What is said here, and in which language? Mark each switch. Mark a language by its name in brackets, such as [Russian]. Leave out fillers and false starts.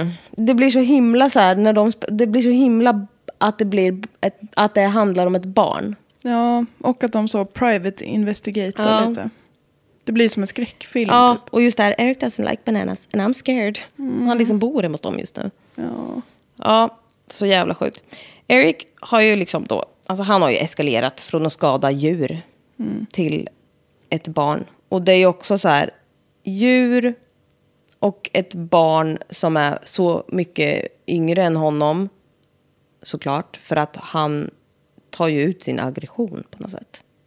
[Swedish] Det blir så himla så här, när de det blir så himla att det blir att det handlar om ett barn. Ja, och att de så [English] private investigator [Swedish] lite. Det blir som en skräckfilm. Ja, typ. Och just där, [English] Eric doesn't like bananas and I'm scared. [Swedish] Mm. Han liksom bor hemma hos dem just nu. Ja. Ja, så jävla sjukt. Eric har ju liksom då, alltså han har ju eskalerat från att skada djur till ett barn. Och det är ju också så här, djur och ett barn som är så mycket yngre än honom, såklart, för att han tar ju ut sin aggression på något sätt.